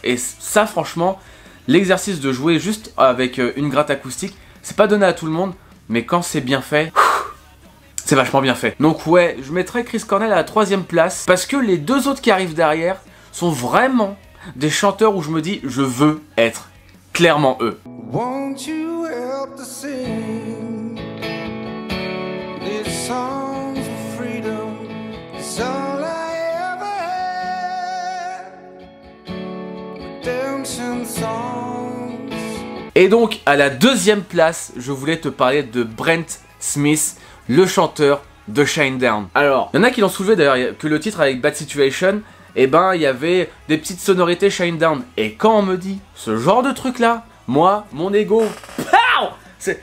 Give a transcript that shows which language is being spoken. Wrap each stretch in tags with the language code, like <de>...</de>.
<fr>Et ça, franchement, l'exercice de jouer juste avec une gratte acoustique, c'est pas donné à tout le monde. Mais quand c'est bien fait, c'est vachement bien fait. Donc ouais, je mettrai Chris Cornell à la troisième place, parce que les deux autres qui arrivent derrière sont vraiment des chanteurs où je me dis, je veux être clairement eux.</fr> <en>Won't you help to sing this song of freedom, it's all I ever had, redemption song.</en> <fr>Et donc, à la deuxième place, je voulais te parler de Brent Smith, le chanteur de Shinedown. Alors, il y en a qui l'ont soulevé d'ailleurs, que le titre avec Bad Situation, eh ben, il y avait des petites sonorités Shinedown. Et quand on me dit ce genre de truc-là, moi, mon ego, POW!</fr>